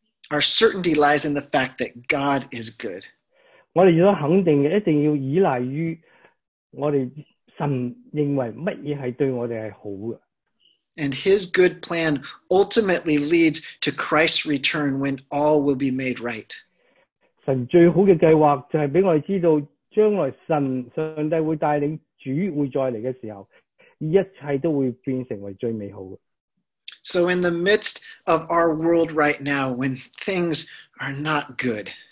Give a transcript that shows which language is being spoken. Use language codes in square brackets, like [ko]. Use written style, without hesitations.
[en] Our certainty lies in the fact that God is good. [zh] 我们要肯定的一定要依赖于我们神认为什么是对我们是好的。 [en] And his good plan ultimately leads to Christ's return when all will be made right. [zh] 神最好的计划就是让我们知道将来神上帝会带领主会再来的时候一切都会变成为最美好的。 [en] So in the midst of our world right now, when things are not good,